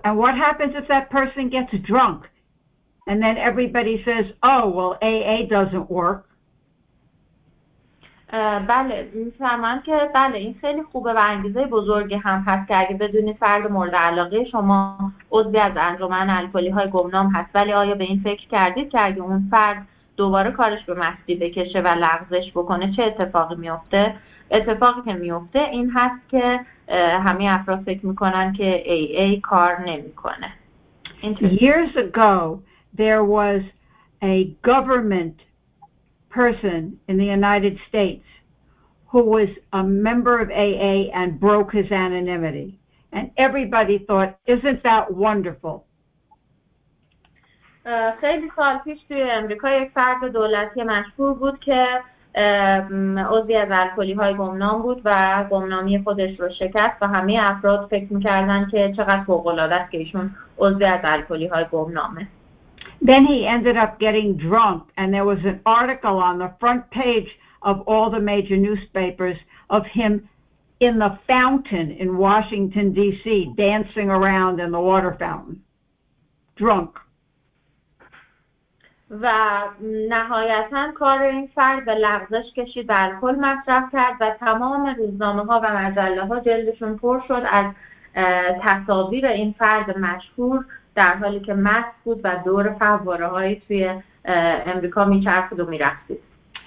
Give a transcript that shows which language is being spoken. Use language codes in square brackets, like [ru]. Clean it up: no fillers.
[en] And what happens if that person gets drunk? And then everybody says, oh, well, AA doesn't work. [fa] بله، میفهمم که بله این خیلی خوبه و انگیزه بزرگی هم هست که اگه بدونی فرد مورد علاقه شما عضوی از انجمن الکلی های گمنام هست، ولی آیا به این فکر کردید که اگه اون فرد دوباره کارش به مستی بکشه و لغزش بکنه چه اتفاقی میفته؟ اتفاقی که میفته این هست که همه افراد فکر میکنن که AA کار نمیکنه. [en] Years ago there was a government person in the United States who was a member of AA and broke his anonymity, and everybody thought, isn't that wonderful? [fa] خیلی سال پیش توی امریکا یک فرد دولتی مشهور بود که عضوی از الکلی‌های گمنام بود و گمنامی خودش رو شکست و همه افراد فکر می‌کردن که چقدر فوق‌العاده است که ایشون عضوی از الکلی‌های گمنامه. [en] Then he ended up getting drunk, and there was an article on the front page of all the major newspapers of him in the fountain in Washington, D.C., dancing around in the water fountain, drunk. [fa] و نهایتاً کار این فرد به لغزش کشید و الکل مصرف کرد و تمام روزنامه‌ها و مجله‌ها جلدشون پر شد از تصاویر این فرد مشهور در حالی که مست بود و دور فواره‌های توی امریکا می‌چرخید و می‌رقصید.